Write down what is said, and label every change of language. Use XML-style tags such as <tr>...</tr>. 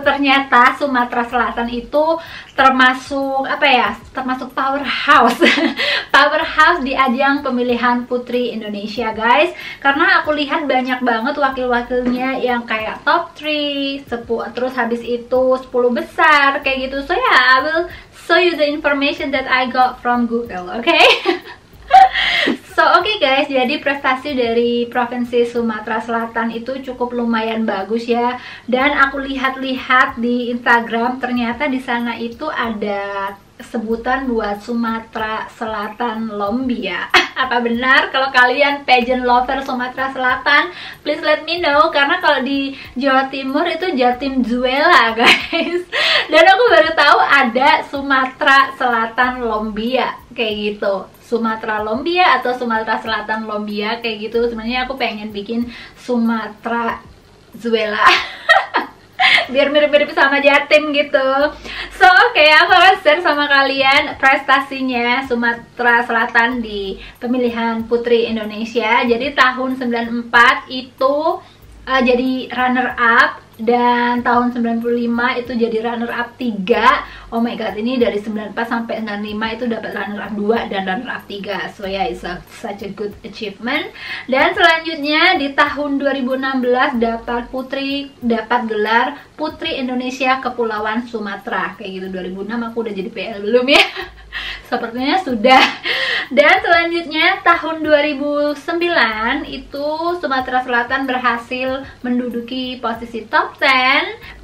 <id>Ternyata Sumatera Selatan itu termasuk apa ya? Termasuk powerhouse. Powerhouse di ajang pemilihan Putri Indonesia, guys. Karena aku lihat banyak banget wakil-wakilnya yang kayak top 3, terus habis itu 10 besar, kayak gitu.</id> <en>So yeah, I will show you the information that I got from Google, okay? So, okay guys,</en> <id>jadi prestasi dari Provinsi Sumatera Selatan itu cukup lumayan bagus ya. Dan aku lihat-lihat di Instagram, ternyata di sana itu ada sebutan buat Sumatera Selatan Lombia. Apa benar? Kalau kalian pageant lover Sumatera Selatan,</id> <en>please let me know.</en> <id>Karena kalau di Jawa Timur itu Jatim Zuela guys. Dan aku baru tahu ada Sumatera Selatan Lombia, kayak gitu. Sumatera Lombia atau Sumatera Selatan Lombia, kayak gitu. Sebenarnya aku pengen bikin Sumatera Zuela. Biar mirip-mirip sama Jatim gitu.</id> <en>So, okay,</en> <id>aku akan share sama kalian prestasinya Sumatera Selatan di pemilihan Putri Indonesia. Jadi tahun 94 itu jadi runner up, dan tahun 95 itu jadi runner up 3.</id> <en>Oh my god,</en> <id>ini dari 94 sampai 95 itu dapat runner up 2 dan runner up 3.</id> <en>So yeah, it's such a good achievement.</en> <id>Dan selanjutnya di tahun 2016 dapat gelar Putri Indonesia Kepulauan Sumatera, kayak gitu. 2006 aku udah jadi PL belum ya. Sepertinya sudah. Dan selanjutnya, tahun 2009 itu Sumatera Selatan berhasil menduduki posisi top 10.</id>